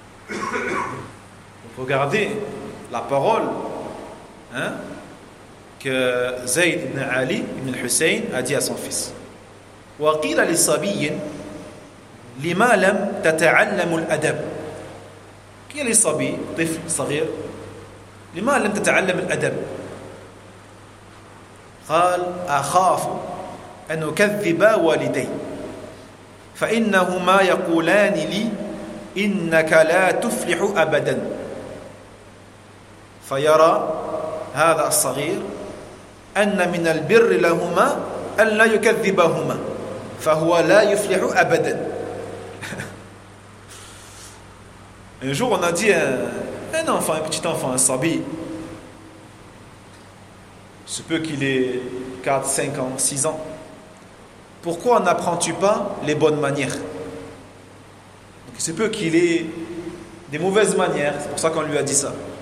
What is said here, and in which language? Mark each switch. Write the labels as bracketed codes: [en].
[fr] Donc regardez la parole que Zayd ibn Ali ibn Hussein a dit à son fils. [ar] وقيل للصبي لما لم تتعلم الأدب قيل للصبي طفل صغير لما لم تتعلم الأدب قال أخاف أن أكذب والدي فإنهما يقولان لي إنك لا تفلح أبدا فيرى هذا الصغير أن من البر لهما أن لا يكذبهما فَهُوَ لَا يُفْلِحُ أَبَدًا. [fr] Un jour, on a dit à un enfant, un petit enfant, un sabi, il se peut qu'il ait 4, 5 ans, 6 ans, pourquoi n'apprends-tu pas les bonnes manières? Donc, il se peut qu'il ait des mauvaises manières, c'est pour ça qu'on lui a dit ça.